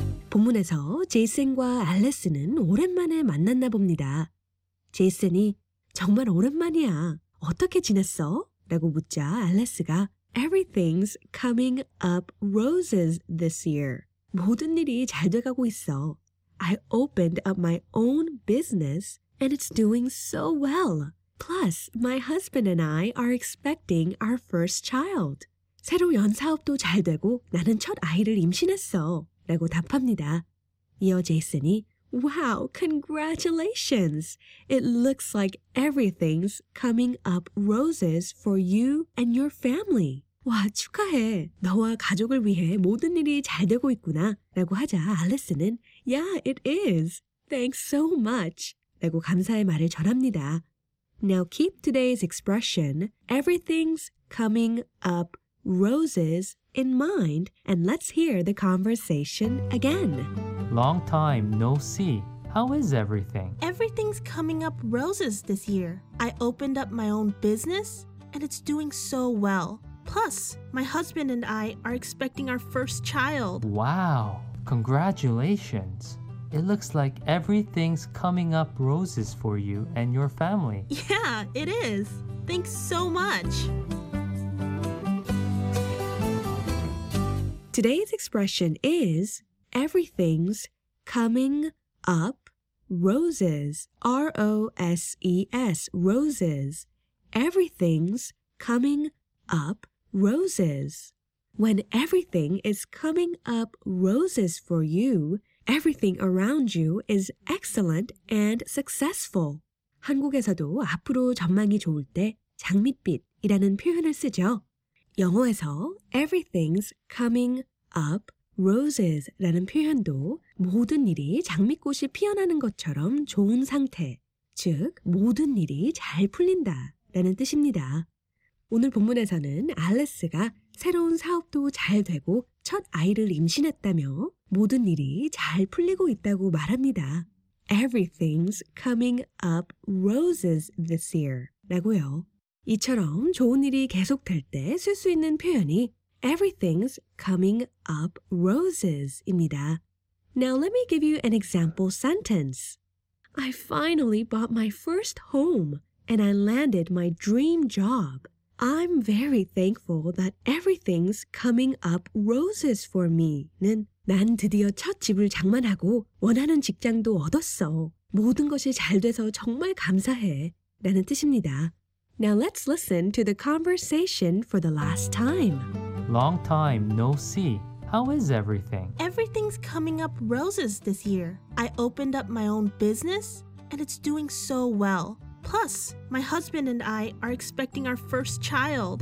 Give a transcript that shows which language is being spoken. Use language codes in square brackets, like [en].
[ko] 본문에서 제이슨과 알레스는 오랜만에 만났나 봅니다. 제이슨이 정말 오랜만이야. 어떻게 지냈어? 라고 묻자 알레스가 [en] Everything's coming up roses this year. [ko] 모든 일이 잘 돼가고 있어. [en] I opened up my own business and it's doing so well. Plus, my husband and I are expecting our first child. [ko] 새로 연사업도 잘 되고 나는 첫 아이를 임신했어. 라고 답합니다. 이어 제이슨이 [en] Wow, congratulations! It looks like everything's coming up roses for you and your family. [ko] 와, 축하해. 너와 가족을 위해 모든 일이 잘 되고 있구나. 라고 하자 알리스는 [en] Yeah, it is. Thanks so much. [ko] 라고 감사의 말을 전합니다. [en] Now keep today's expression, everything's coming up roses in mind, and let's hear the conversation again. Long time no see. How is everything? Everything's coming up roses this year. I opened up my own business, and it's doing so well. Plus, my husband and I are expecting our first child. Wow, congratulations. It looks like everything's coming up roses for you and your family. Yeah, it is. Thanks so much. Today's expression is everything's coming up roses. R-O-S-E-S, roses. Everything's coming up roses. When everything is coming up roses for you, everything around you is excellent and successful. [ko] 한국에서도 앞으로 전망이 좋을 때 장밋빛이라는 표현을 쓰죠. 영어에서 [en] everything's coming up roses [ko] 라는 표현도 모든 일이 장미꽃이 피어나는 것처럼 좋은 상태, 즉 모든 일이 잘 풀린다라는 뜻입니다. 오늘 본문에서는 알레스가 새로운 사업도 잘 되고 첫 아이를 임신했다며 모든 일이 잘 풀리고 있다고 말합니다. [en] Everything's coming up roses this year [ko] 라고요. 이처럼 좋은 일이 계속될 때 쓸 수 있는 표현이 [en] Everything's coming up roses [ko] 입니다. [en] Now let me give you an example sentence. I finally bought my first home and I landed my dream job. I'm very thankful that everything's coming up roses for me. [ko] 는 난 드디어 첫 집을 장만하고 원하는 직장도 얻었어. 모든 것이 잘 돼서 정말 감사해. 라는 뜻입니다. [en] Now let's listen to the conversation for the last time. Long time no see. How is everything? Everything's coming up roses this year. I opened up my own business and it's doing so well. Plus, my husband and I are expecting our first child.